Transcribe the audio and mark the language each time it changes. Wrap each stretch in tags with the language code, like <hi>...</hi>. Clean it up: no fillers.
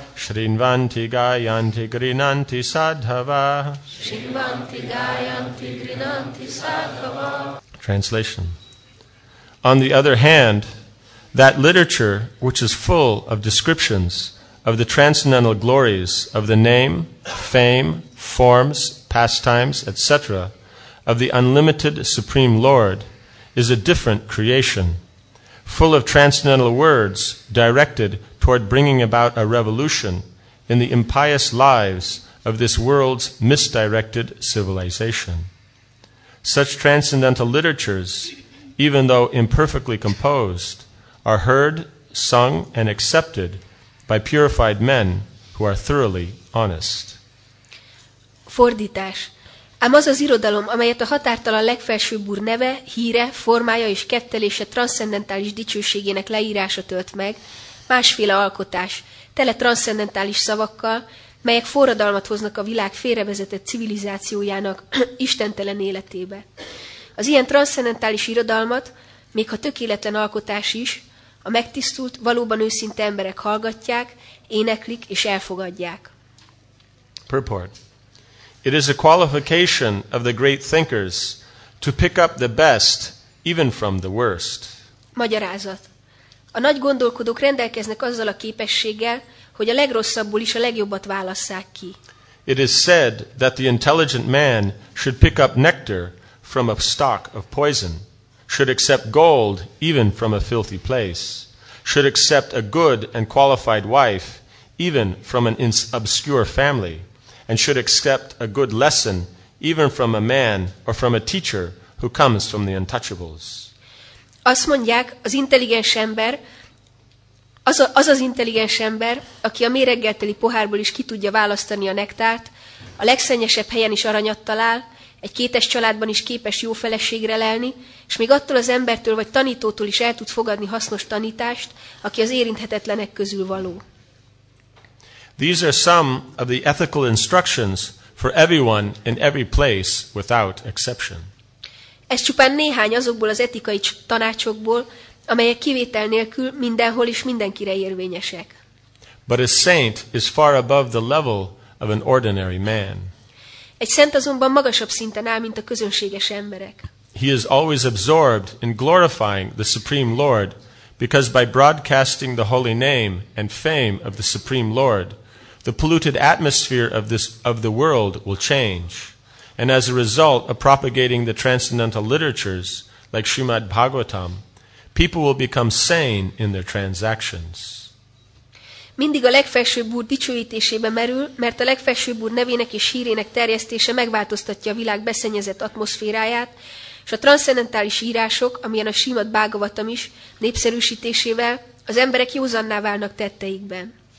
<sa>Shrinvanti gayanti grinanti sadhava. Shrinvanti gayanti grinanti sadhava.</sa> <en>Translation. On the other hand, that literature which is full of descriptions of the transcendental glories of the name, fame, forms, pastimes, etc., of the unlimited Supreme Lord, is a different creation, full of transcendental words directed toward bringing about a revolution in the impious lives of this world's misdirected civilization. Such transcendental literatures, even though imperfectly composed, are heard, sung, and accepted by purified men who are thoroughly honest.</en> <hu>Fordítás. Ám az az irodalom, amelyet a határtalan legfelsőbb úr neve, híre, formája és kettelése transzcendentális dicsőségének leírása tölt meg, másféle alkotás, tele transzcendentális szavakkal, melyek forradalmat hoznak a világ félrevezetett civilizációjának istentelen életébe. Az ilyen transzcendentális irodalmat, még ha tökéletlen alkotás is, a megtisztult, valóban őszinte emberek hallgatják, éneklik és elfogadják.</hu> <en>Purport. It is a qualification of the great thinkers to pick up the best even from the worst.</en> <hu>Magyarázat. A nagy gondolkodók rendelkeznek azzal a képességgel, hogy a legrosszabbból is a legjobbat válasszák ki.</hu> <en>It is said that the intelligent man should pick up nectar from a stock of poison, should accept gold even from a filthy place, should accept a good and qualified wife even from an obscure family, and should accept a good lesson even from a man or from a teacher who comes from the untouchables.</en> <hu>Azt mondják, az intelligens ember, az intelligens ember, aki a méreggel teli pohárból is ki tudja választani a nektárt, a legszennyesebb helyen is aranyat talál, egy kétes családban is képes jó feleségre lelni, és még attól az embertől vagy tanítótól is el tud fogadni hasznos tanítást, aki az érinthetetlenek közül való.</hu> <en>These are some of the ethical instructions for everyone in every place without exception.</en> <hu>Ez csupán néhány azokból az etikai tanácsokból, amelyek kivétel nélkül mindenhol és mindenkire érvényesek.</hu> <en>But a saint is far above the level of an ordinary man.</en> <hu>Egy szent azonban magasabb szinten áll, mint a közönséges emberek.</hu> <en>He is always absorbed in glorifying the Supreme Lord, because by broadcasting the holy name and fame of the Supreme Lord, the polluted atmosphere of the world will change. And as a result of propagating the transcendental literatures, like Srimad Bhagavatam, people will become sane in their transactions.</en> <hu>Mindig a legfelsőbb úr dicsőítésébe merül, mert a legfelsőbb úr nevének és hírének terjesztése megváltoztatja a világ beszennyezett atmoszféráját, és a transzcendentális írások, amilyen a Srimad Bhagavatam is, népszerűsítésével az emberek józanná válnak tetteikben.</hu>